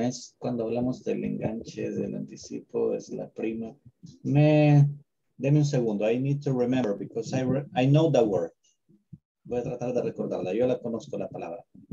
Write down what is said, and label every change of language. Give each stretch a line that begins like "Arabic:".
Spanish: Es cuando hablamos del enganche, del anticipo, es la prima. Deme un segundo,
English: I need to remember because I know that word.
Spanish: Voy a tratar de recordarla, yo la conozco la palabra.